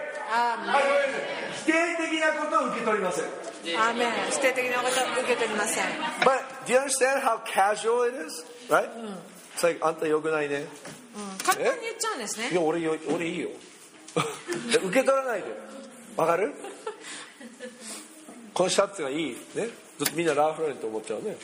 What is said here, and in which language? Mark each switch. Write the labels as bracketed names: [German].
[Japanese] 否定的なことを受け取りません。アーメン。否定的なことを受け取りません。 [English] But do you understand how casual it is? Right? It's like, [Japanese] あんた良くないね。簡単に言っちゃうんですね。いや、俺いいよ。受け取らないで。わかる？このシャツがいい。ね、ずっとみんなラフローレンと思っちゃうね。